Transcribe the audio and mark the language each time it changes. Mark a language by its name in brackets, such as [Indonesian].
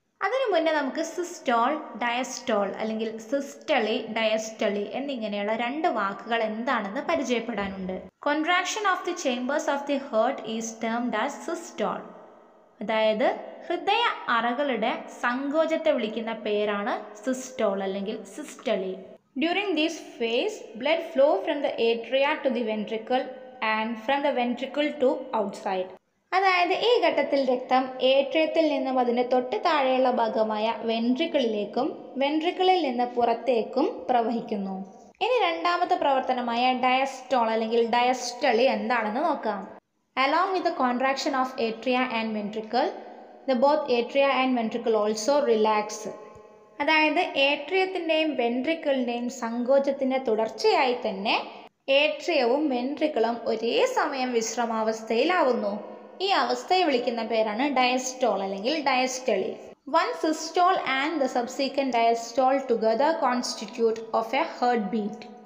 [Malayalam] അതിനു മുന്നേ നമുക്ക് സിസ്റ്റോൾ ഡയസ്റ്റോൾ അല്ലെങ്കിൽ സിസ്റ്റളി ഡയസ്റ്റളി എന്നിങ്ങനെയുള്ള രണ്ട് വാക്കുകൾ എന്താണെന്ന് പരിചയപ്പെടാനുണ്ട്. [English] contraction of the chambers of the heart is termed as systole, [Malayalam] അതായത് ഹൃദയ അറകളുടെ സങ്കോചത്തെ വിളിക്കുന്ന പേരാണ് സിസ്റ്റോൾ അല്ലെങ്കിൽ systole. [English] During this phase, blood flow from the atria to the ventricle and from the ventricle to outside. [Malayalam] അതായത് ഈ ഘട്ടത്തിൽ രക്തം ഏട്രിയത്തിൽ നിന്നും അതിൻ്റെ തൊട്ട് താഴെയുള്ള ഭാഗമായ വെൻട്രിക്കിളിലേക്കും വെൻട്രിക്കിളിൽ നിന്ന് പുറത്തേക്കും പ്രവഹിക്കുന്നു. ഇനി രണ്ടാമത്തെ പ്രവർത്തനമായ ഡയസ്റ്റോൾ അല്ലെങ്കിൽ ഡയസ്റ്റളി എന്താണെന്ന് നോക്കാം. [English] Along with the contraction of atria and ventricle, the both atria and ventricle also relax. [Malayalam] അതായത് ഏട്രിയത്തിൻ്റെയും വെൻട്രിക്കിളിൻ്റെയും സങ്കോചത്തിൻ്റെ തുടർച്ചയായി തന്നെ ഏട്രിയവും വെൻട്രിക്കിളും ഒരേ സമയം വിശ്രമാവസ്ഥയിലാവുന്നു. ഈ അവസ്ഥയെ വിളിക്കുന്ന പേരാണ് ഡയസ്റ്റോൾ അല്ലെങ്കിൽ ഡയസ്റ്റളി. [English] One systole and the subsequent diastole together constitute of a heartbeat.